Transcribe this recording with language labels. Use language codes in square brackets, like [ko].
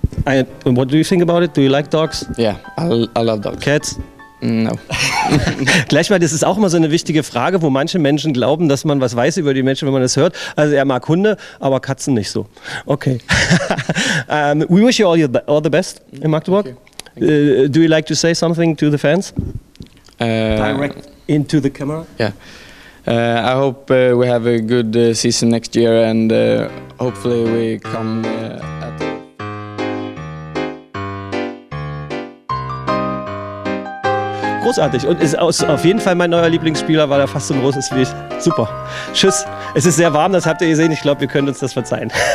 [en] And what do you think about it? Do you like dogs? Yeah, I love dogs. Cats? No. [de] Gleich mal, das ist auch immer so eine wichtige Frage, wo manche Menschen glauben, dass man was weiß über die Menschen, wenn man das hört. Also er mag Hunde, aber Katzen nicht so. [en] Okay. We wish you all the best in Magdeburg. Okay. Do you like to say something to the fans? Direct into the camera? Yeah. I hope we have a good season next year and hopefully we come at the [de] großartig und ist auf jeden Fall mein neuer Lieblingsspieler, weil er fast so groß ist wie ich. Super. Tschüss. Es ist sehr warm, das habt ihr gesehen. Ich glaube, wir können uns das verzeihen.